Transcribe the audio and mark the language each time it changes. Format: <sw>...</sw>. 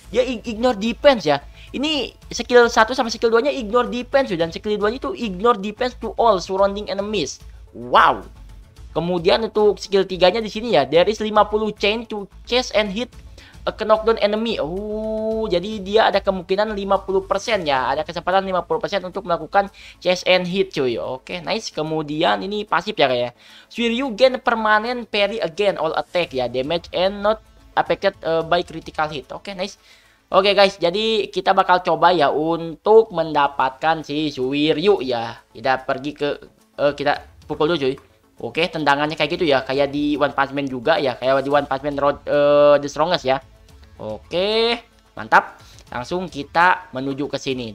<id>Dia ignore defense ya. Ini skill 1 sama skill 2-nya</id> <en>ignore defense cuy,</en> <id>dan skill 2-nya itu</id> <en>ignore defense to all surrounding enemies.</en> <id>Wow. Kemudian untuk skill 3-nya di sini ya,</id> <en>there is 50 chain to chase and hit a knockdown enemy.</en> <id>Oh, jadi dia ada kemungkinan 50% ya, ada kesempatan 50% untuk melakukan</id> <en>chase and hit</en> <id>cuy. Oke, nice. Kemudian ini pasif ya kayaknya.</id> <en>Shiryu gain permanent parry again all attack</en> <id>ya,</id> <en>damage and not affected by critical hit.</en> <id>Oke, nice. Oke guys, jadi kita bakal coba ya untuk mendapatkan si Shiryu ya. Kita pergi ke kita pukul dulu cuy. Oke, tendangannya kayak gitu ya, kayak di One Punch Man juga ya, kayak di One Punch Man Road the Strongest ya. Oke, mantap. Langsung kita menuju ke sini.</id>